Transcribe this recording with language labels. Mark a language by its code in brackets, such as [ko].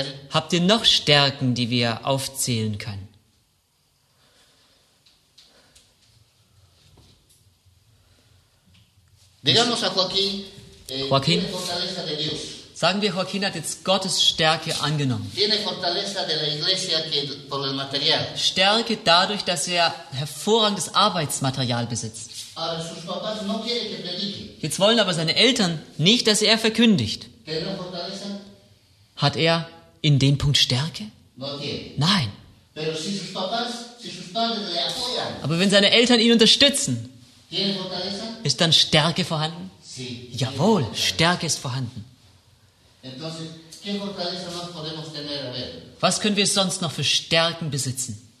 [de] Habt ihr noch Stärken, die wir aufzählen können? [es] Digamos a Joaquín, Joaquín. [de] Sagen wir, Joaquín hat jetzt Gottes Stärke angenommen. [es] Tiene fortaleza de la iglesia que, por el material. [de] Stärke dadurch, dass er hervorragendes Arbeitsmaterial besitzt. Aber [es] sus papás no quiere que predique. [de] Jetzt wollen aber seine Eltern nicht, dass er verkündigt. [es] Tiene fortaleza? [de] Hat er in dem Punkt Stärke? [es] No tiene. [de] Nein. [es] Pero si sus papás, si sus padres le apoyan. [de] Aber wenn seine Eltern ihn unterstützen, [es] tiene fortaleza? [de] Ist dann Stärke vorhanden? [es] Sí, [de] jawohl, Stärke ist vorhanden. [es] Entonces, ¿qué fortaleza más podemos tener? A ver. [de] Was können wir sonst noch für Stärken besitzen?